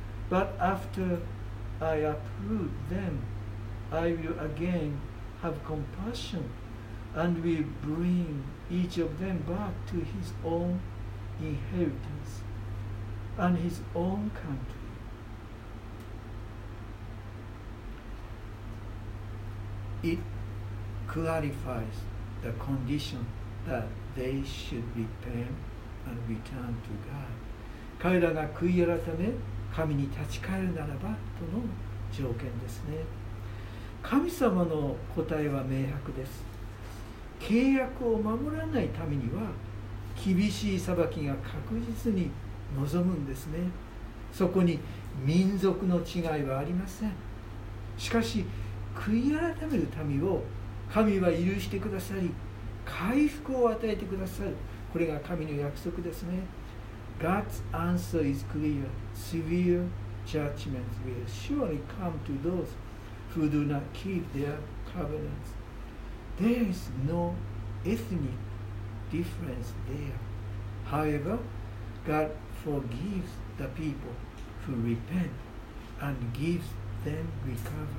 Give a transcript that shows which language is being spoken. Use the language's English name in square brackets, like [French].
[English] But after I uproot them, I will again have compassion and will bring each of them back to his own inheritance and his own country. It clarifies the condition that they should repent and return to God. [Japanese] 彼らが悔い改め、神に立ち返るならばとの条件ですね。神様の答えは明白です。契約を守らない民には厳しい裁きが確実に望むんですね。そこに民族の違いはありません。しかし悔い改める民を神は許してくださり、回復を与えてくださる。これが神の約束ですね。 [English] God's answer is clear. Severe judgments will surely come to those who do not keep their covenants. There is no ethnic difference there. However, God forgives the people who repent and gives them recovery.